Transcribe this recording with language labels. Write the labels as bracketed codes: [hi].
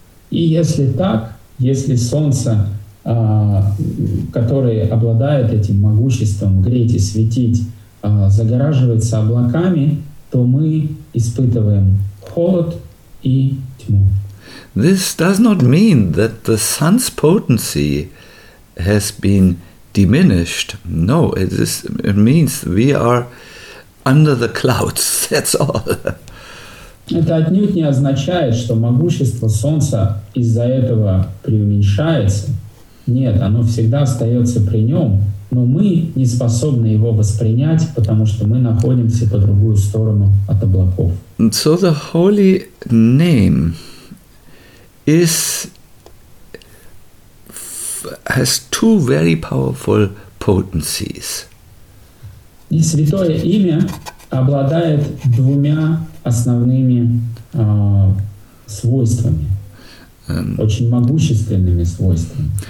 [ru] И если так, если солнце, которое обладает этим могуществом греть и светить, загораживается облаками, то мы испытываем холод и тьму. [en] This does not mean that the sun's potency has been diminished. No, it means we are under the clouds. That's all. [ru] Это отнюдь не означает, что могущество солнца из-за этого преуменьшается. Нет, оно всегда остается при нем, но мы не способны его воспринять, потому что мы находимся по другую сторону от облаков. [en] So the holy name is has two very powerful potencies. [ru] И святое имя обладает двумя основными свойствами, очень могущественными свойствами.